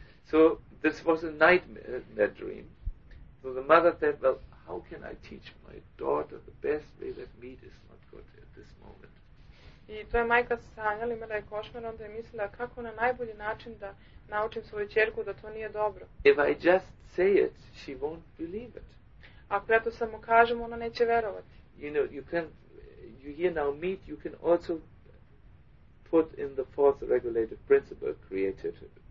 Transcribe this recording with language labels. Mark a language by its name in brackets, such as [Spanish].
[English] So this was a nightmare dream. So the mother said, well, how can I teach my daughter the best way that meat is not good at this moment? [Serbian] I to je majka sanjala, imala je košmar, onda je mislila kako na najbolji način da naučim svoju ćerku da to nije dobro. [English] If I just say it, she won't believe it. [Serbian] Ako ja to samo kažem, ona neće verovati. [English] You know, you can, you hear now meat, you can also put in the fourth regulative principle creatively.